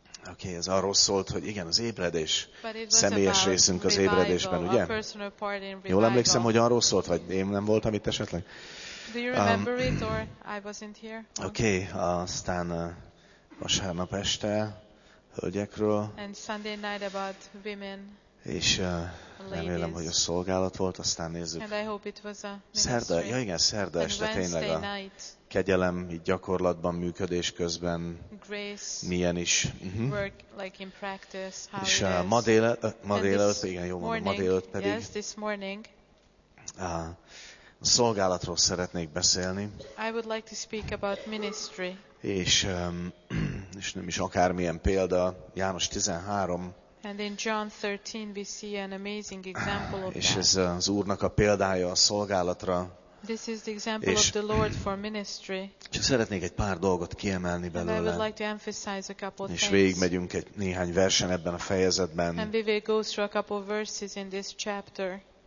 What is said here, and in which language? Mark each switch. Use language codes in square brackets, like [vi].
[hu] Okay, ez arról szólt, hogy igen, az ébredés, személyes részünk az ébredésben, ugye? Jól emlékszem, hogy arról szólt, vagy én nem voltam itt esetleg? [en] Do you remember it, or I wasn't here? [hu] Okay, aztán vasárnap este hölgyekről. [en] And Sunday night about women. [hu] És remélem, hogy a szolgálat volt, aztán nézzük. [en] And I hope it was a ministry. [hu] Szerda, ja igen, szerda este tényleg a kegyelem így gyakorlatban működés közben [en] grace, [hu] milyen is. [en] Uh-huh. Work, like in practice, how [hu] és ma délelőtt, igen, jó mondom, ma délelőtt pedig [en] yes, this morning, [hu] a szolgálatról szeretnék beszélni. [en] I would like to speak about ministry. [hu] És nem is akármilyen példa, János 13. [en] And in John 13 we see an amazing example of [hu] és ez az Úrnak a példája a szolgálatra. [en] This is the example of the Lord for ministry. [hu] Csak szeretnék egy pár dolgot kiemelni belőle. [en] And I would like to emphasize a couple things. [hu] És végigmegyünk egy néhány versen ebben a fejezetben. [en] And we will go through a couple of verses in this chapter.